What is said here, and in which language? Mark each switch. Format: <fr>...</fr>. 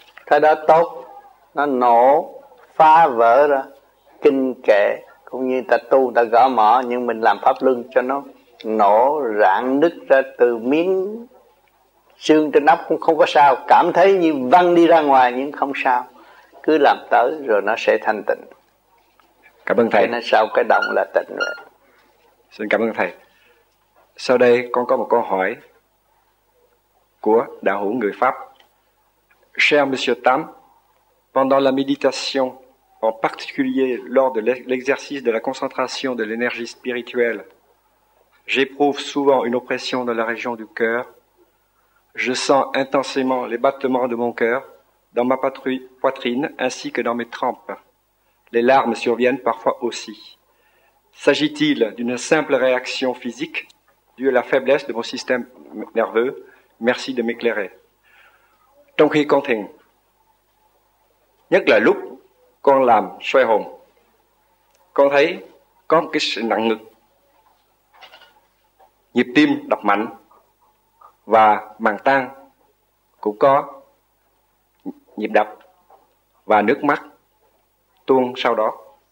<vi>Cái đó tốt, nó nổ, phá vỡ ra, kinh kệ, cũng như ta tu, ta gõ mỏ, nhưng mình làm pháp luân cho nó nổ, rạn nứt ra từ miếng xương trên nắp cũng không có sao, cảm thấy như văng đi ra ngoài nhưng không sao, cứ làm tới rồi nó sẽ thanh tịnh. Cảm ơn Thầy. Cho nên sau cái động là tịnh rồi. Xin cảm ơn Thầy. Sau đây con có một câu hỏi của đạo hữu người Pháp.</vi> <fr>Cher Monsieur Tam, pendant la méditation, en particulier lors de l'exercice de la concentration de l'énergie spirituelle, j'éprouve souvent une oppression dans la région du cœur. Je sens intensément les battements de mon cœur, dans ma poitrine ainsi que dans mes trempes. Les larmes surviennent parfois aussi. S'agit-il d'une simple réaction physique due à la faiblesse de mon système nerveux? Merci de m'éclairer.</fr> <vi>Trong khi con thiền, nhất là lúc con làm xoay hồn, con thấy có một cái sự nặng ngực, nhịp tim đập mạnh và màng tang cũng có nhịp đập và nước mắt tuôn sau đó.</vi>